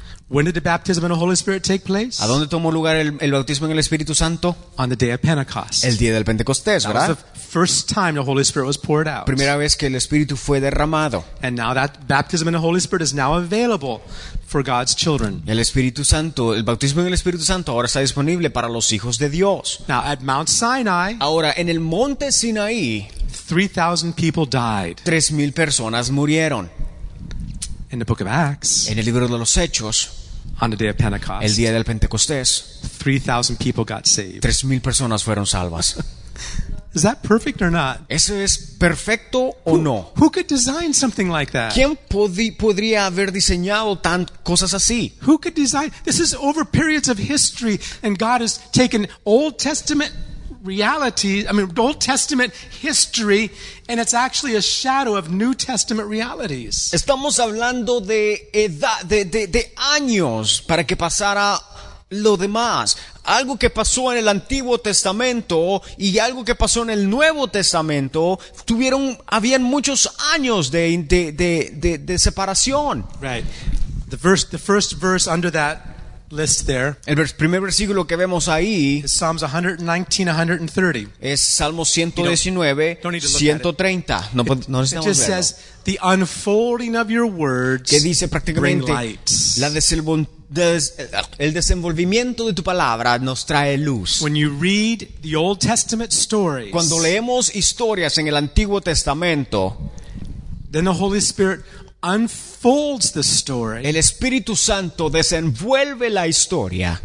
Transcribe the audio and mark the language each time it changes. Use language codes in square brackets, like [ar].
[en] When did the baptism in the Holy Spirit take place? [es] ¿A dónde tomó lugar el bautismo en el Espíritu Santo? [en] On the day of Pentecost. [es] El día del Pentecostés, ¿verdad? [en] That was the first time the Holy Spirit was poured out. [es] Primera vez que el Espíritu fue derramado. [en] And now that baptism in the Holy Spirit is now available for God's children. [es] El Espíritu Santo, el bautismo en el Espíritu Santo ahora está disponible para los hijos de Dios. [en] Now at Mount Sinai. [es] Ahora en el Monte Sinaí. [en] 3,000 people died. [es] 3,000 personas murieron. [en] In the book of Acts. [es] En el libro de los Hechos. [en] On the day of Pentecost. [es] El día del Pentecostés. [en] 3,000 people got saved. [es] 3,000 personas fueron salvas. [en] Is that perfect or not? [es] ¿Eso es perfecto o no? [en] Who could design something like that? [es] ¿Quién podría haber diseñado cosas así? [en] Who could design? This is over periods of history, and God has taken Old Testament Old Testament history, and it's actually a shadow of New Testament realities. [es] Estamos hablando de edad, de años para que pasara lo demás. Algo que pasó en el Antiguo Testamento y algo que pasó en el Nuevo Testamento habían muchos años de separación. [en] Right. The first verse under that list there. [es] El primer versículo que vemos ahí [en] is Psalms 119:130. [es] Es Salmo 119:130. No necesitamos verlo. [en] It just says the unfolding of your words. [es] Que dice prácticamente [en] bring light. [es] La desenvolución el desenvolvimiento de tu palabra nos trae luz. [en] When you read the Old Testament stories, [es] cuando leemos historias en el Antiguo Testamento, [en] then the Holy Spirit unfolds the story. [es] El Espíritu Santo desenvuelve la historia.